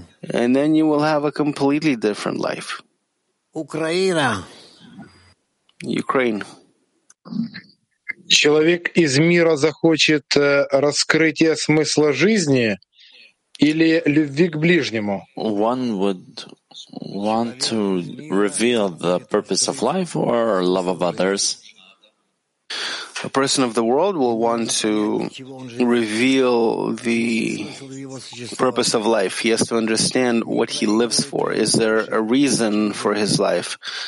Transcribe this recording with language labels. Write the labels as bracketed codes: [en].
[en] And then you will have a completely different life. Ukraine. [ru] Человек из мира захочет раскрытия смысла жизни или любви к ближнему. [en] One would want to reveal the purpose of life or love of others. A person of the world will want to reveal the purpose of life. He has to understand what he lives for. Is there a reason for his life?